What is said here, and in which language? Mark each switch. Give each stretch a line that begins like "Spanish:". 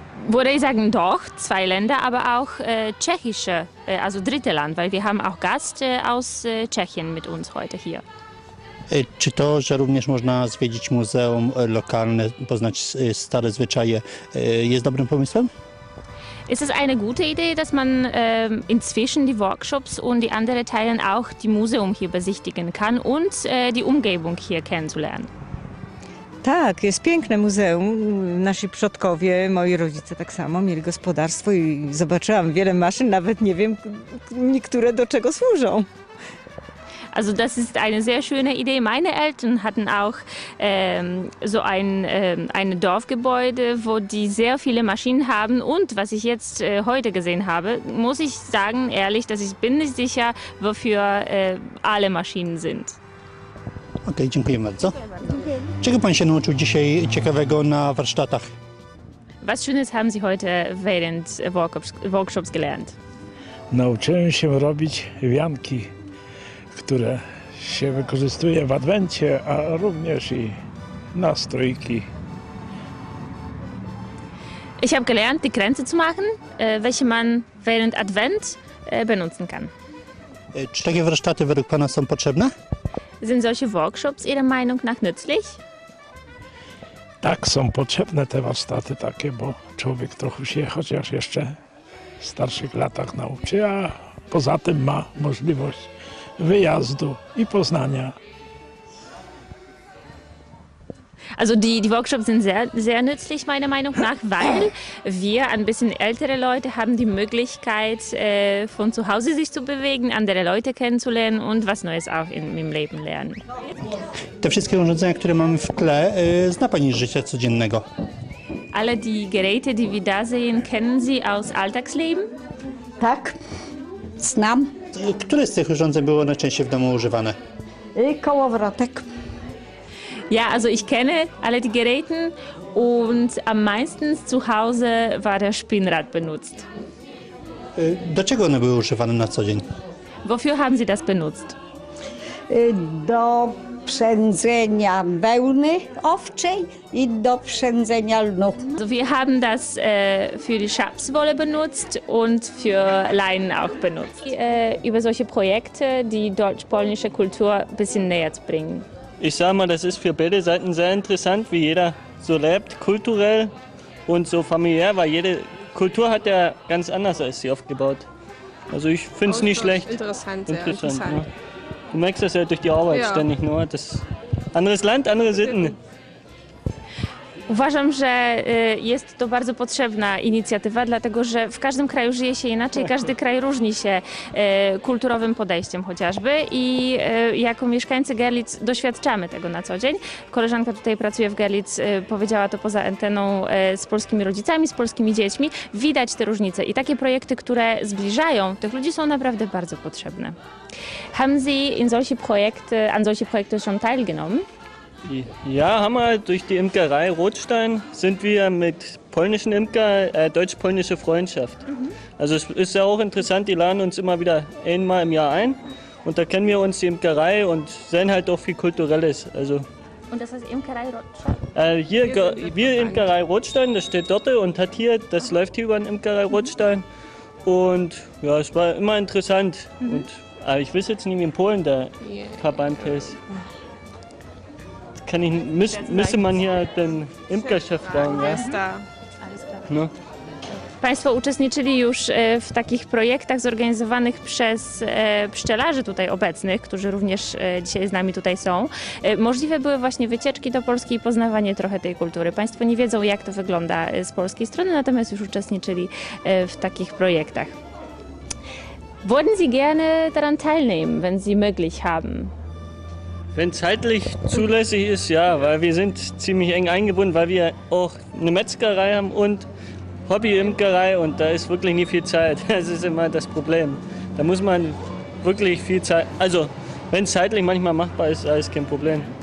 German: Würde ich sagen, doch, zwei Länder, aber auch tschechische, also dritte Land, weil wir haben auch Gast aus Tschechien mit uns heute hier.
Polish: Czy to, że również można zwiedzić muzeum lokalne, poznać stare zwyczaje, jest dobrym pomysłem?
German: Ist es eine gute Idee, dass man inzwischen die Workshops und die anderen Teile auch die Museum hier besichtigen kann und die Umgebung hier kennenzulernen?
Polish: Tak, jest piękne muzeum. Nasi przodkowie, moi rodzice tak samo, mieli gospodarstwo i zobaczyłam wiele maszyn, nawet nie wiem niektóre do czego służą.
German: Also das ist eine sehr schöne Idee. Meine Eltern hatten auch so ein Dorfgebäude, wo die sehr viele Maschinen haben. Und was ich jetzt heute gesehen habe, muss ich sagen ehrlich, dass ich bin nicht sicher, wofür alle Maschinen sind.
Polish: Okay, dziękuję bardzo. Czego Pan się nauczył dzisiaj ciekawego na warsztatach?
German: Was Schönes haben Sie heute während Workshops gelernt?
Polish: Nauczyłem się robić wianki, które się wykorzystuje w Adwencie, a również i na stoiki.
German: Ich habe gelernt, die Kränze zu machen, welche man während Advent benutzen kann.
Polish: Czy takie warsztaty według Pana są potrzebne?
German: Sind solche Workshops Ihrer Meinung nach nützlich?
Polish: Tak, są potrzebne te warsztaty takie, bo człowiek trochę się chociaż jeszcze w starszych latach nauczy, a poza tym ma możliwość wyjazdu i poznania.
German: Also die Workshops sind sehr, sehr nützlich meiner Meinung nach, weil wir ein bisschen ältere Leute haben die Möglichkeit, von zu Hause sich zu bewegen, andere Leute kennenzulernen und was Neues auch im Leben lernen.
Polish: Te wszystkie urządzenia, które mamy w tle, zna Pani z życia codziennego?
German: Alle die Geräte, die wir da sehen, kennen Sie aus Alltagsleben?
Polish: Tak, znam. Które z tych urządzeń było najczęściej w domu używane? Kołowrotek.
German: Ja, also ich kenne alle die Geräte und am meisten zu Hause war der Spinnrad benutzt.
Polish: Do czego one były używane na co dzień?
German: Wofür haben Sie das benutzt?
Polish: Do przędzenia wełny owczej i do przędzenia lnu.
German: Also wir haben das für die Schafswolle benutzt und für Leinen auch benutzt. Über solche Projekte, die deutsch-polnische Kultur ein bisschen näher zu bringen. Ich sage mal, das ist für beide Seiten sehr interessant, wie jeder so lebt, kulturell und so familiär, weil jede Kultur hat ja ganz anders als sie aufgebaut. Also ich finde es nicht schlecht. Interessant. Ja. Du merkst das ja durch die Arbeit ständig nur. Das anderes Land, andere Sitten.
Polish: Uważam, że jest to bardzo potrzebna inicjatywa, dlatego że w każdym kraju żyje się inaczej, każdy kraj różni się kulturowym podejściem chociażby i jako mieszkańcy Görlitz doświadczamy tego na co dzień. Koleżanka tutaj pracuje w Görlitz, powiedziała to poza anteną, z polskimi rodzicami, z polskimi dziećmi. Widać te różnice i takie projekty, które zbliżają tych ludzi, są naprawdę bardzo potrzebne.
German: Haben Sie an solche Projekte schon teilgenommen? Ja, haben wir durch die Imkerei Rotstein sind wir mit polnischen Imker deutsch-polnische Freundschaft. Mhm. Also es ist ja auch interessant, die laden uns immer wieder einmal im Jahr ein und da kennen wir uns die Imkerei und sehen halt auch viel Kulturelles. Also, und das heißt Imkerei Rotstein? Wir Imkerei Rotstein, das steht dort und hat hier, das läuft hier über den Imkerei Rotstein. Und ja, es war immer interessant. Mhm. Und, aber ich weiß jetzt nicht, wie in Polen der Verband ist. Müsste man hier den Imkerchef fragen, ja? Alles klar.
Polish: No. Państwo uczestniczyli już w takich projektach zorganizowanych przez pszczelarzy tutaj obecnych, którzy również dzisiaj z nami tutaj są. Możliwe były właśnie wycieczki do Polski i poznawanie trochę tej kultury. Państwo nie wiedzą, jak to wygląda z polskiej strony, natomiast już uczestniczyli w takich projektach.
German: Wollen Sie gerne daran teilnehmen, wenn Sie möglich haben? Wenn zeitlich zulässig ist, ja, weil wir sind ziemlich eng eingebunden, weil wir auch eine Metzgerei haben und Hobby-Imkerei und da ist wirklich nicht viel Zeit. Das ist immer das Problem. Da muss man wirklich viel Zeit, also wenn es zeitlich manchmal machbar ist, ist kein Problem.